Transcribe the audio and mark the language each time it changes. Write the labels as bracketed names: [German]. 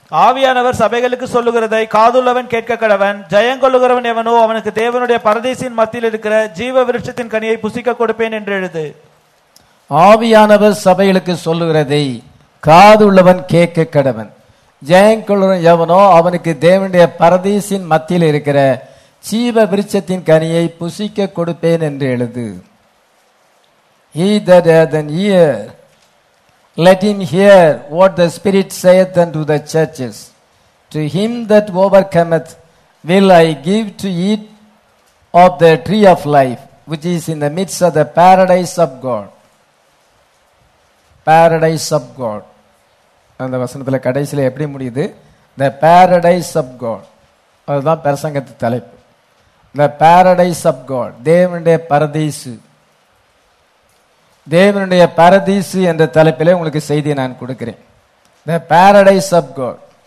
[Tamil] ஆவியானவர் சபைகளுக்கு சொல்லுகிறதை காதுள்ளவன் கேட்க கடவன், ஜெயங்கொள்ளுகிறவன் எவனோ அவனுக்கு தேவனுடைய பரதேசியின் மத்தியில் இருக்கிற ஜீவ விருட்சத்தின் கனியை புசிக்க கொடுப்பேன் என்று எழுது. ஆவியானவர் சபைகளுக்கு சொல்லுகிறதை காதுள்ளவன் கேட்க கடவன், ஜெயங்கொள்ளுகிறவன் எவனோ அவனுக்கு தேவனுடைய பரதேசியின் மத்தியில் இருக்கிற ஜீவ விருட்சத்தின் கனியை புசிக்க கொடுப்பேன் என்று எழுது. [English] He that hath an ear, let him hear what the Spirit saith unto the churches. To him that overcometh will I give to eat of the tree of life, which is in the midst of the paradise of God. Paradise of God. [Tamil] அந்த வசனத்தில் கடைசியில் எப்படி முடியுது? [English] The paradise of God. [Tamil] அதுதான் பிரசங்கத்து தலைப்பு. [English] The paradise of God. [Tamil] தேவனுடைய பரதேசு. தேவனுடைய பரதீசு என்ற தலைப்பிலே உங்களுக்கு செய்தியை நான் கொடுக்கிறேன். [English] The paradise of God.